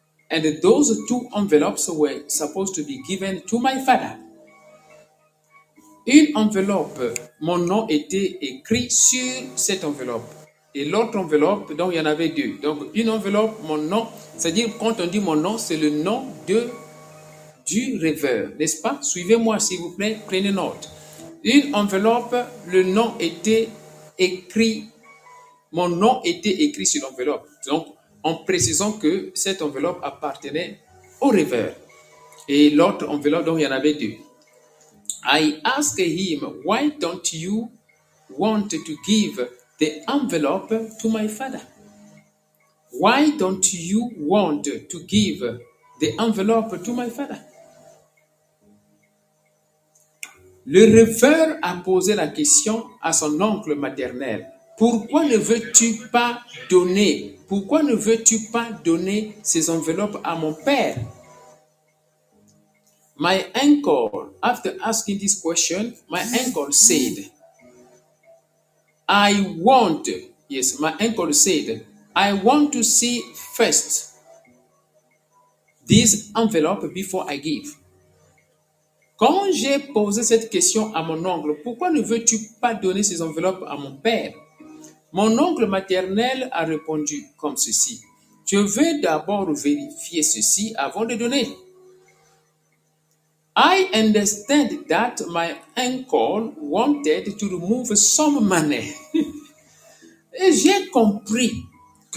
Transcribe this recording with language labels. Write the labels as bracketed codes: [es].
[en] And those two envelopes were supposed to be given to my father. [fr] Une enveloppe, mon nom était écrit sur cette enveloppe. Et l'autre enveloppe, donc il y en avait deux. Donc une enveloppe, mon nom, c'est-à-dire quand on dit mon nom, c'est le nom du rêveur, n'est-ce pas? Suivez-moi s'il vous plaît, prenez note. Une enveloppe, le nom était écrit, mon nom était écrit sur l'enveloppe. Donc, en précisant que cette enveloppe appartenait au rêveur. Et l'autre enveloppe, donc il y en avait deux. [en] I asked him, why don't you want to give the envelope to my father? Why don't you want to give the envelope to my father? [fr] Le rêveur a posé la question à son oncle maternel. Pourquoi ne veux-tu pas donner? Pourquoi ne veux-tu pas donner ces enveloppes à mon père? [en] My uncle, after asking this question, my uncle said, I want to see first this envelope before I give. [fr] Quand j'ai posé cette question à mon oncle, pourquoi ne veux-tu pas donner ces enveloppes à mon père? Mon oncle maternel a répondu comme ceci. Je veux d'abord vérifier ceci avant de donner. [en] I understand that my uncle wanted to remove some money. [fr] Et j'ai compris que